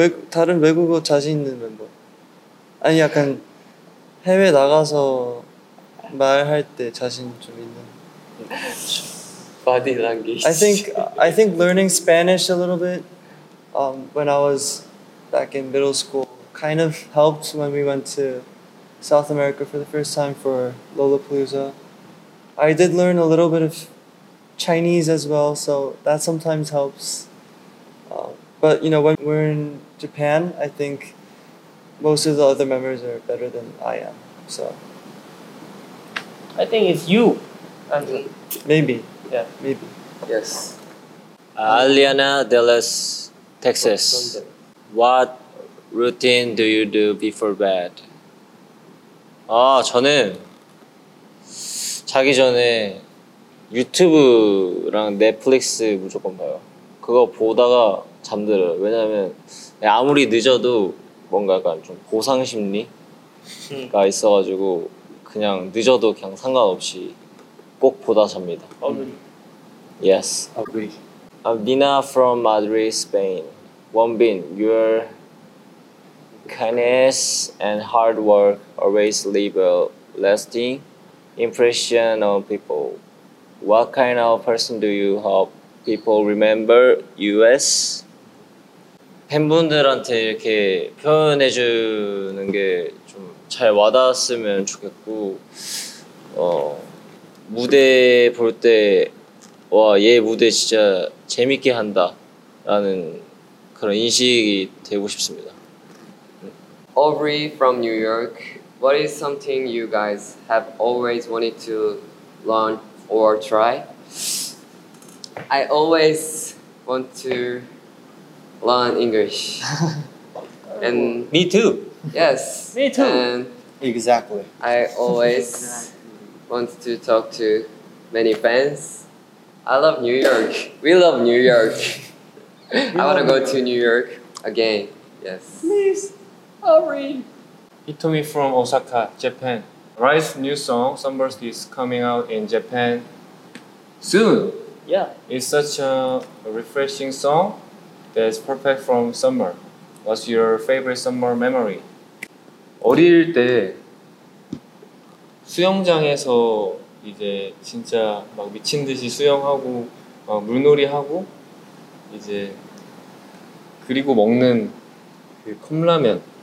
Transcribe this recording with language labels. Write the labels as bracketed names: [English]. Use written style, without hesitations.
[Korean] 다른 외국어 자신 있는 멤버 아니 약간 해외 나가서 말할 때 자신 좀 있는 [English] body language. I think learning Spanish a little bit when I was back in middle school kind of helped when we went to South America for the first time for Lollapalooza. I did learn a little bit of Chinese as well, so that sometimes helps. But you know, when we're in Japan, I think most of the other members are better than I am, so. I think it's you, Andrew. Maybe. Yeah. Maybe. Yes. Aliana Dallas, Texas. What routine do you do before bed? [Korean] 아, 저는 자기 전에 유튜브랑 넷플릭스 무조건 봐요. 그거 보다가 잠들어요. 왜냐면 아무리 늦어도 뭔가 약간 좀 보상 심리가 있어가지고 그냥 늦어도 그냥 상관없이 꼭 보다 잡니다. [English] Agree. Yes. Agree. I'm Nina from Madrid, Spain. Wonbin, your kindness and hard work always leave a lasting impression on people. What kind of person do you hope people remember you as? [Korean] 팬분들한테 이렇게 표현해 주는 게 좀 잘 와닿았으면 좋겠고 무대 볼 때 와 얘 무대 진짜 재밌게 한다 라는 그런 인식이 되고 싶습니다. [English] Aubrey from New York. What is something you guys have always wanted to learn or try? I always want to learn English. And me too. Yes. Me too. And exactly. I always want to talk to many fans. I love New York. We love New York. I want to go to New York again. Yes. Please, hurry. Hitomi from Osaka, Japan. Rise's new song, Sunburst, is coming out in Japan soon. Yeah. It's such a refreshing song. That's perfect from summer. What's your favorite summer memory? [Korean] 어릴 때 수영장에서 이제 진짜 막 미친 듯이 수영하고 막 물놀이 하고 이제 그리고 먹는 그 컵라면